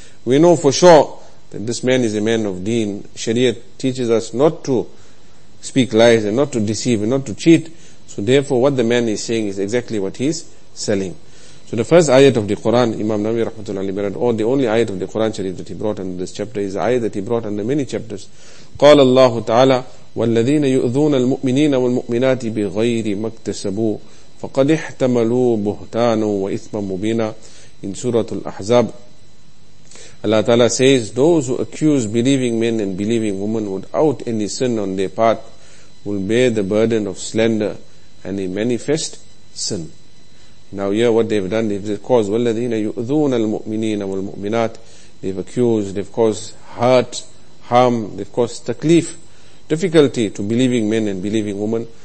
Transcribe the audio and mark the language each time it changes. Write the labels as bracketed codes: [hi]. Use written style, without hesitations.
[en] We know for sure that this man is a man of deen. Sharia teaches us not to speak lies and not to deceive and not to cheat. So therefore what the man is saying is exactly what he's selling. So the first ayat of the Quran, Imam Nawawi rahmatullahi alayhi, or the only ayat of the Quran Sharif that he brought under this chapter, is the ayat that he brought under many chapters. [ar] قال الله تعالى وَالَّذِينَ يُؤْذُونَ الْمُؤْمِنِينَ وَالْمُؤْمِنَاتِ بِغَيْرِ مَكْتَسَبُوا فَقَدْ احْتَمَلُوا بُهْتَانًا وَإِثْمًا مُبِينًا [en] in Surah Al-Ahzab. Allah Ta'ala says, those who accuse believing men and believing women without any sin on their part will bear the burden of slander and a manifest sin. Now here what they've done, they've caused, [ar] وَالَّذِينَ يُؤْذُونَ الْمُؤْمِنِينَ وَالْمُؤْمِنَاتِ, [en] they've accused, they've caused hurt, harm, they've caused taklif, difficulty to believing men and believing women.